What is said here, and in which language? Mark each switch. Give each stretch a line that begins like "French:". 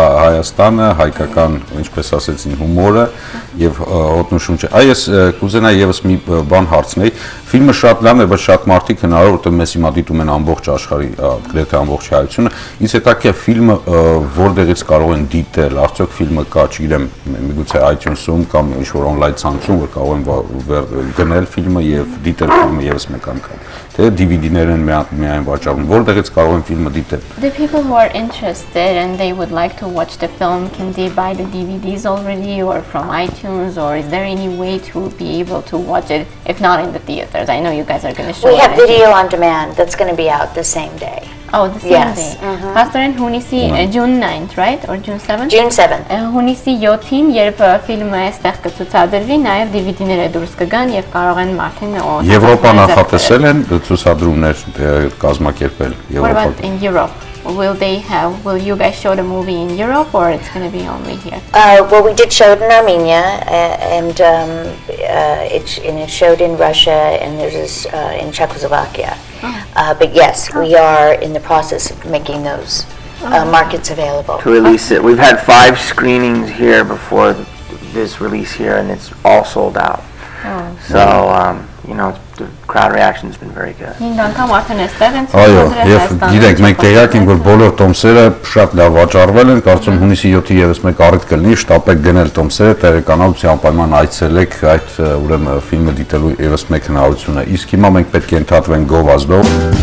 Armenian: մեսիջի և օտնու շունչ է։ Այս կուզենայի եւս մի բան հարցնել։ Ֆիլմը շատ լավն է, բայց շատ մարդիկ հնարավոր որ մեզ հիմա դիտում են ամբողջ աշխարհի, գրեթե ամբողջ հայությունը։ Ինձ հետաքրքիր է ֆիլմը որտեղից կարող են դիտել, արդյոք ֆիլմը կա, չգիտեմ, միգուցե iTunes-ում կամ ինչ-որ online ցանցում, որ կարող են գնել ֆիլմը եւ դիտել ֆիլմը եւս մեկ անգամ։ Թե DVD-ներ են միայն վաճառվում, որտեղից կարող են ֆիլմը դիտել։
English: The people who are interested and they would like to watch the film can they buy the DVDs already or from iTunes? Or is there any way to be able to watch it if not in the theaters? I know you guys are going to show it. We have video on demand that's going to be out the same day. Oh, the same day. Pastor and Hunisi, June 9th, right? Or June 7th? June 7th.
Armenian: Hunisi Yotin, երբ ֆիլմը այստեղ կցուցադրվի, նաև DVD-ները դուրս կգան եւ կարող են մարդին օգտվել։ Եվրոպա նախատեսել են ցուցադրումներ կազմակերպել
English: Եվրոպա։ What about in Europe? Will you guys show the movie in Europe or it's going to be only here? Well, we did show it in Armenia and it showed in Russia and there's this in Czechoslovakia. Oh. But yes, we are in the process of making those markets available. To release it. We've had 5 screenings here before this release here and it's all sold out. Oh. So, you know, the crowd reaction has been very good.
Armenian: Այո, եւ գիտենք մենք տեղյակ ենք որ բոլոր տոմսերը շատ լավ վաճառվել են, կարծում հունիսի 7-ի եւս մեկ առիթ կլինի, շտապեք գնել տոմսերը, տեղեկանալուց անպայման այցելեք այդ ուրեմն ֆիլմը դիտելու եւս մեկ հնարությունը։ Իսկ հիմա մենք պետք է ընդհատվենք գովազդով։